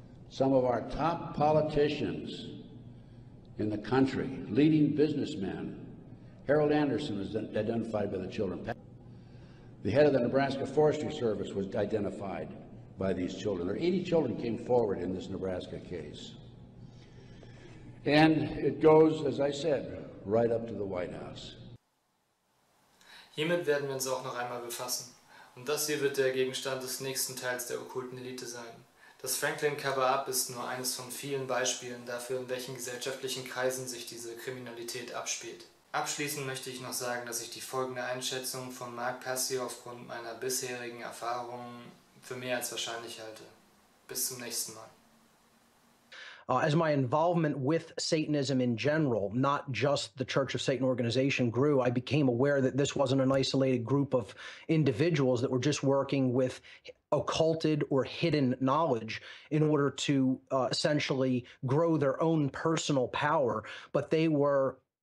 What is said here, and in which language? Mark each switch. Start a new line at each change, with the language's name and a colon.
English: Some of our top politicians in the country, leading businessmen, Harold Anderson was identified by the children. The head of the Nebraska Forestry Service was identified by these children. There are 80 children came forward in this Nebraska case. And it goes, as I said, right up to the White House.
German: Hiermit werden wir uns auch noch einmal befassen. Und das hier wird der Gegenstand des nächsten Teils der okkulten Elite sein. Das Franklin Cover-Up ist nur eines von vielen Beispielen dafür, in welchen gesellschaftlichen Kreisen sich diese Kriminalität abspielt. Abschließend möchte ich noch sagen, dass ich die folgende Einschätzung von Mark Passy aufgrund meiner bisherigen Erfahrungen für mehr als wahrscheinlich halte. Bis zum nächsten Mal.
English: As my involvement with Satanism in general, not just the Church of Satan organization, grew, I became aware that this wasn't an isolated group of individuals that were just working with occulted or hidden knowledge in order to essentially grow their own personal power, but they were